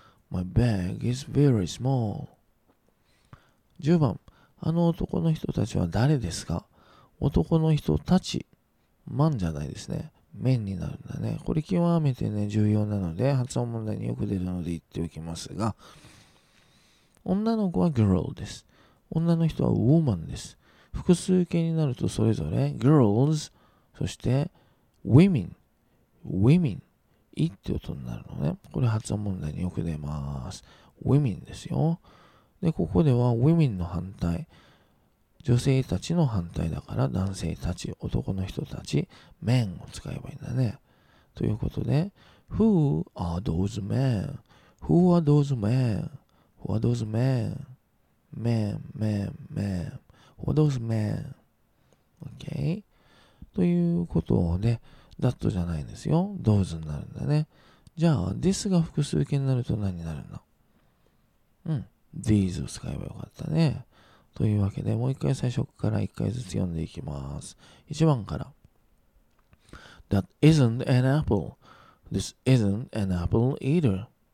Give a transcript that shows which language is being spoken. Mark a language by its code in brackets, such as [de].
[en] My bag is very small. [ja] 10番。あの男の人たちは誰ですか?男の人たち。マンじゃないですね。面になるんだね。これ極めてね、重要なので、発音問題によく出るので言っておきますが、女の子は girl です。女の人は woman です。複数形になるとそれぞれ girls、そして women、women、いって音になるのね。これ発音問題によく出ます。 women ですよ。で、ここでは women の反対。女性たちの反対だから、男性たち、男の人たち、men を使えばいいんだね。ということで、 [en] who are those men? Who are those men? Who are those men? Men, men, men. Who are those men? OK? [ja] ということで、that じゃないんですよ。those になるんだね。じゃあ、this が複数形になると何になるの？うん、these を使えばよかったね。というわけで、もう一回最初から一回ずつ読んでいきます。一番から。 [en] That isn't an apple. This isn't an apple either.